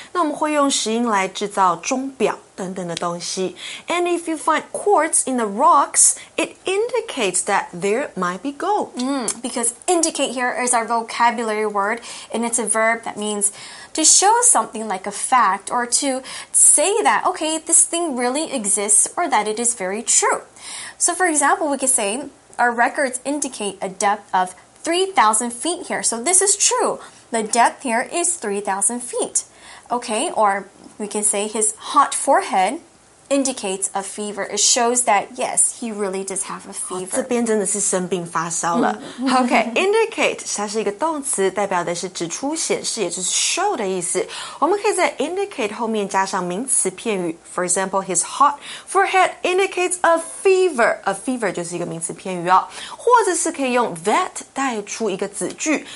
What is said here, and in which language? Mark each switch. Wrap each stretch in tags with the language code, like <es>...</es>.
<zh>那我们会用石英来制造钟表等等的东西。</zh> <en>And if you find quartz in the rocks, it indicates that there might be gold. Because indicate here is our vocabulary word, and it's a verb that means to show something like a fact or to say that, okay, this thing really exists or that it is very true. So for example, we could say... Our records indicate a depth of 3,000 feet here. So this is true. The depth here is 3,000 feet. Okay, or we can say his hot forehead indicates a fever. It shows that, yes, he really does have a fever.</en> <zh>这边真的是生病发烧了。 Okay, indicate 它是一个动词，代表的是指出、显示，也就是 show 的意思。我们可以在 indicate 后面加上名词片语。</zh> <en>For example, his hot forehead indicates a fever.</en> <zh>A fever 就是一个名词片语哦。或者是可以用 that 带出一个子句。</zh>